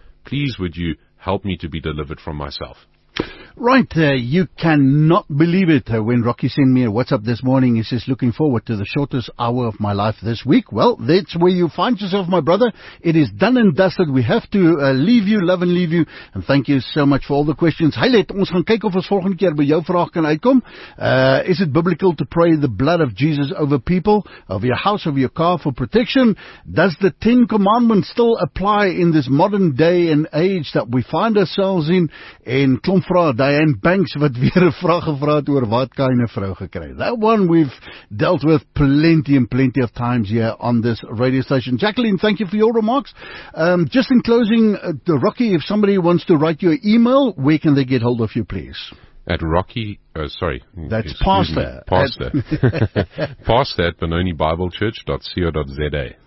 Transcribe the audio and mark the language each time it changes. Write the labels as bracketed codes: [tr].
[en] Please would you help me to be delivered from myself. Right, you cannot believe it when Rocky sent me a WhatsApp this morning. He says, looking forward to the shortest hour of my life this week. Well, that's where you find yourself, my brother. It is done and dusted. We have to leave you, love and leave you. And thank you so much for all the questions. [af] Hey, let ons gaan kyk of ons volgende keer by jou vraag kan uitkom. [en] Is it biblical to pray the blood of Jesus over people, over your house, over your car for protection? Does the Ten Commandments still apply in this modern day and age that we find ourselves in? [af] En Klomp vra Diane Banks, wat weer een vraag gevra het oor wat kan een vrou gekry. [en] That one we've dealt with plenty and plenty of times here on this radio station. Jacqueline, thank you for your remarks. Just in closing, Rocky, if somebody wants to write you an email, where can they get hold of you, please? At Rocky, sorry. That's Pastor. Pastor. Pastor at BenoniBibleChurch.co.za.